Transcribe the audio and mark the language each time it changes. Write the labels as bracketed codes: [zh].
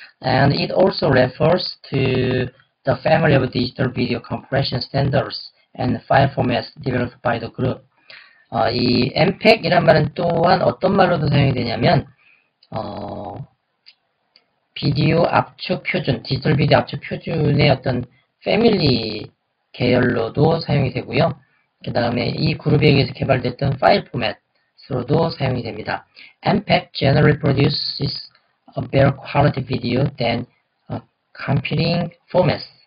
[en] And it also refers to the family of digital video compression standards and file formats developed by the group. [ko] 이 MPEG이란 말은 또한 어떤 말로도 사용이 되냐면 비디오 압축 표준, 디지털 비디오 압축 표준의 어떤 패밀리 계열로도 사용이 되고요. 그 다음에 이 그룹에 의해서 개발됐던 파일 포맷으로도 사용이 됩니다. [en] MPEG generally produces a better quality video than competing formats.